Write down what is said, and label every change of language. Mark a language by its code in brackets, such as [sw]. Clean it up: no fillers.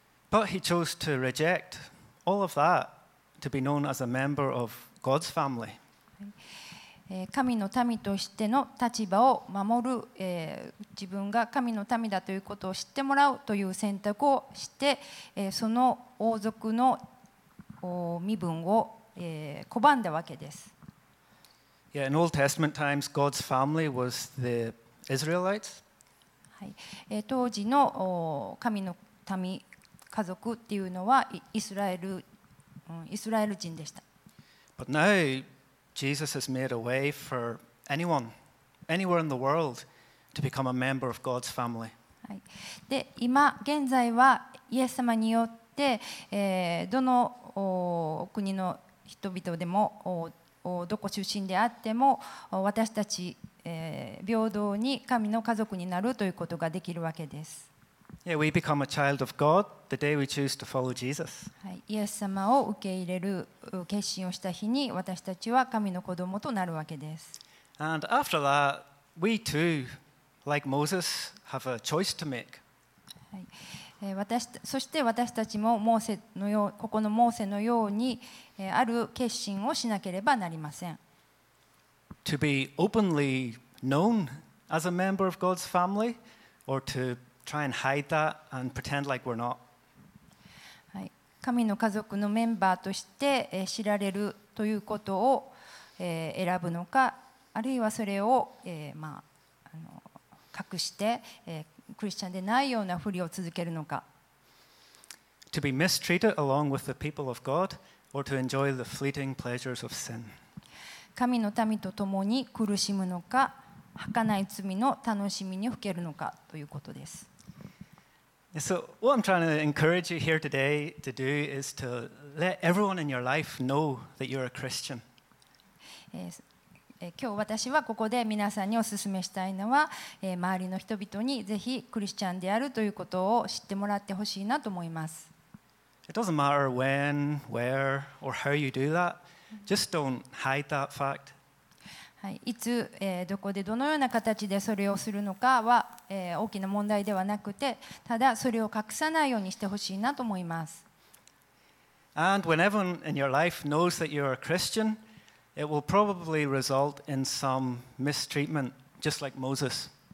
[en] But he chose to reject all of that to be known as a member of God's family. [ja] 神の民としての立場を守る、自分が神の民だということを知ってもらうという選択をして、その王族の身分を、拒んだわけです。 [en] Yeah, in Old Testament times, God's family was the Israelites. [ja] 当時の神の民家族っていうのはイスラエル人でした。 [en] But now, Jesus has made a way for anyone, anywhere in the world, to become a member of God's family. [ja] はい。で、今現在はイエス様によって、どの国の人々でも、どこ出身であっても、私たち、平等に神の家族になるということができるわけです。 [en] Yeah, we become a child of God the day we choose to follow Jesus. [ja] イエス様を受け入れる決心をした日に私たちは神の子供となるわけです。 [en] And after that, we too, like Moses, have a choice to make. [ja] そして私たちもモーセのようここのモーセのようにある決心をしなければなりません。 [en] To be openly known as a member of God's family, or to try and hide that and pretend like we're not. [ja] 神の家族のメンバーとして知られるということを選ぶのか、あるいはそれを隠してクリスチャンでないようなふりを続けるのか。 [en] To be mistreated along with the people of God, or to enjoy the fleeting pleasures of sin. [ja] 神の民と共に苦しむのか、儚い罪の楽しみにふけるのかということです。 [en] So what I'm trying to encourage you here today to do is to let everyone in your life know that you're a Christian. [ja] 今日私はここで皆さんにお勧めしたいのは、周りの人々にぜひクリスチャンであるということを知ってもらってほしいなと思います。 [en] It doesn't matter when, where, or how you do that. Just don't hide that fact. [ja] はい、いつ、どこでどのような形でそれをするのかは、大きな問題ではなくて、ただそれを隠さないようにしてほしいなと思います。 [en] And when everyone in your life knows that you're a Christian, it will probably result in some mistreatment, just like Moses.